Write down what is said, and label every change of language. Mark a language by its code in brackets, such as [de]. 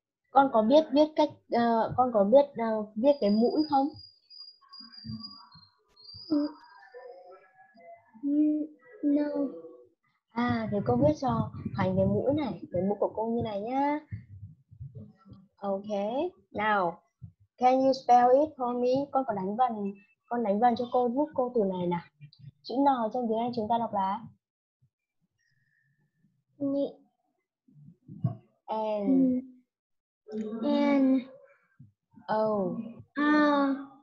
[vi] Con có biết viết cách, con có biết viết cái mũi không? [en] No. [vi] À, thì cô viết cho thành cái mũi này, cái mũi của cô như này nhá. [en] Ok, now, can you spell it for me? [vi] Con có đánh vần, con đánh vần cho cô, giúp cô từ này nè. Chữ N trong tiếng Anh chúng ta đọc là? [en] N. N. N. O. A.